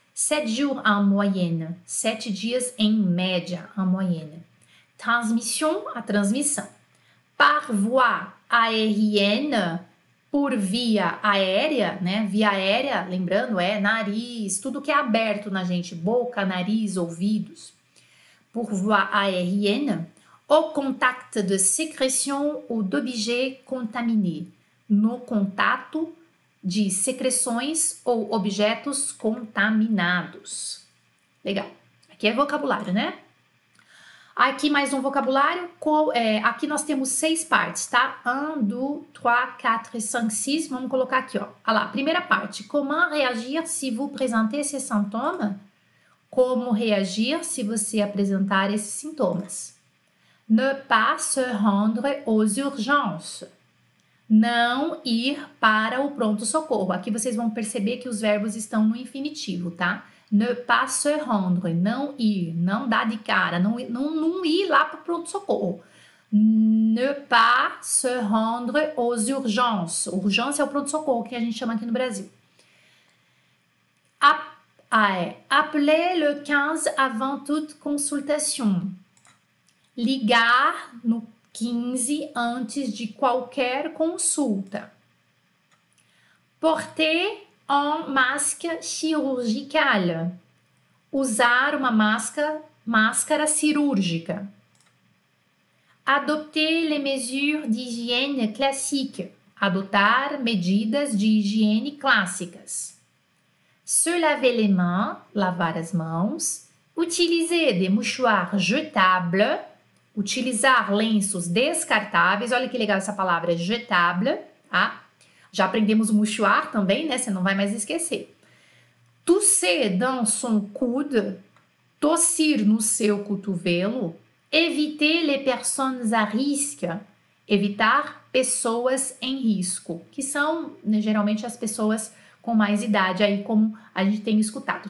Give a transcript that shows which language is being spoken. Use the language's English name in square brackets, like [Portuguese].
[French] 7 jours en moyenne, [Portuguese] 7 dias em média, [French] en moyenne. [Portuguese] Transmission, a transmissão. [French] Par voie aérienne, [Portuguese] por via aérea, né? Via aérea, lembrando, é nariz, tudo que é aberto na gente, boca, nariz, ouvidos. [French] Por voie aérienne, au contact de sécrétion ou d'objet contaminé. [Portuguese] No contato de secreções ou objetos contaminados. Legal. Aqui é vocabulário, né? Aqui mais um vocabulário. Aqui nós temos 6 partes, tá? 1, 2, 3, 4, 5, 6. Vamos colocar aqui, ó. Olha lá, primeira parte. [French] Comment réagir si vous présentez ces symptômes? [Portuguese] Como reagir se você apresentar esses sintomas? [French] Ne pas se rendre aux urgences. [Portuguese] Não ir para o pronto-socorro. Aqui vocês vão perceber que os verbos estão no infinitivo, tá? [French] Ne pas se rendre, [Portuguese] não ir, não dar de cara, não ir lá para o pronto-socorro. [French] Ne pas se rendre aux urgences. [Portuguese] Urgência é o pronto-socorro que a gente chama aqui no Brasil. [French] Appeler le 15 avant toute consultation. [Portuguese] Ligar no 15 antes de qualquer consulta. [French] Porter un masque chirurgical. [Portuguese] Usar uma máscara cirúrgica. [French] Adopter les mesures d'hygiène classique. [Portuguese] Adotar medidas de higiene clássicas. [French] Se laver les mains, [Portuguese] lavar as mãos. [French] Utiliser des mouchoirs jetables. [Portuguese] Utilizar lenços descartáveis. Olha que legal essa palavra, jetable, tá? Já aprendemos o mouchoir também, né? Você não vai mais esquecer. [French] Tousser dans son coude. [Portuguese] Tossir no seu cotovelo. [French] Éviter les personnes à risque. [Portuguese] Evitar pessoas em risco. Que são, né, geralmente, as pessoas com mais idade aí, como a gente tem escutado.